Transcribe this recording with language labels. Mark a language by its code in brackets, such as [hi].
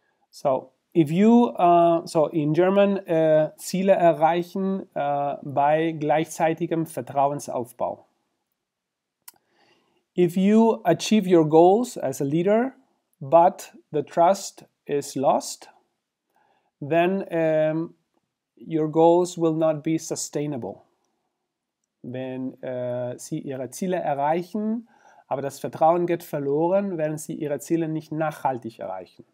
[en] So, so in German, [de] Ziele erreichen bei gleichzeitigem Vertrauensaufbau. [en] If you achieve your goals as a leader, but the trust is lost, then your goals will not be sustainable. [de] Wenn Sie Ihre Ziele erreichen, aber das Vertrauen geht verloren, werden Sie Ihre Ziele nicht nachhaltig erreichen.